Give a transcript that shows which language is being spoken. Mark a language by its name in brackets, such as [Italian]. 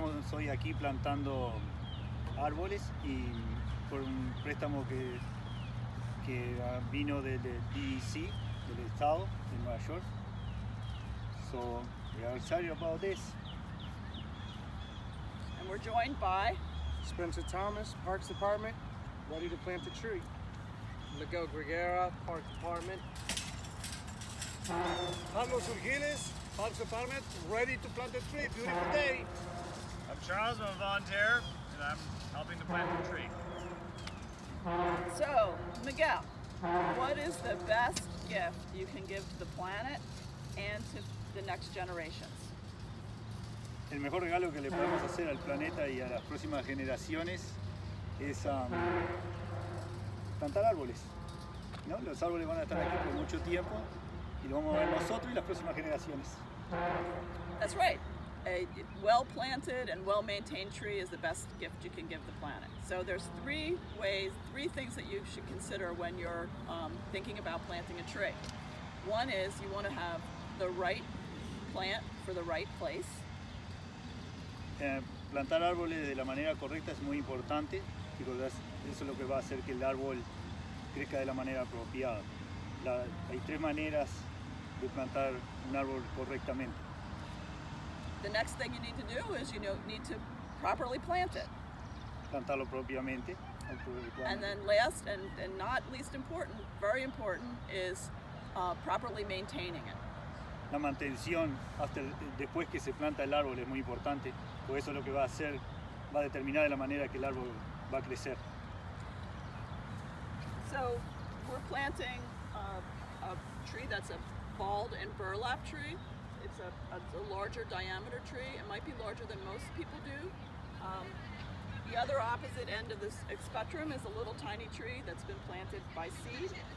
[Spanish] Soy aquí plantando árboles y por un préstamo que vino del DEC, del estado de Nueva York. [English] So, we are excited about this. And we're joined by Spencer Thomas, Parks Department, ready to plant a tree. Miguel Gregera, Parks Department. Carlos Urgiles, Parks Department, ready to plant a tree. Beautiful day. I'm Charles, I'm a volunteer, and I'm helping to plant the tree. So, Miguel, what is the best gift you can give to the planet and to the next generations? [Spanish] El mejor regalo que le podemos hacer al planeta y a las próximas generaciones es plantar árboles, ¿no? Los árboles van a estar aquí por mucho tiempo y lo vamos a ver nosotros y las próximas generaciones. [English] That's right. A well-planted and well-maintained tree is the best gift you can give the planet. So there's three things that you should consider when you're thinking about planting a tree. One is you want to have the right plant for the right place. [Spanish] Plantar árboles de la manera correcta es muy importante. Eso es lo que va a hacer que el árbol crezca de la manera apropiada. Hay tres maneras de plantar un árbol correctamente. [English] The next thing you need to do is you need to properly plant it. [Spanish] Plantarlo propiamente. [English] And then last and not least important, very important, is properly maintaining it. [Spanish] La mantención después que se planta el árbol es muy importante, porque eso es lo que va a determinar de la manera que el árbol va a crecer. [English] So, we're planting a tree that's a bald and burlap tree. It's a larger diameter tree. It might be larger than most people do. The other opposite end of this spectrum is a little tiny tree that's been planted by seed.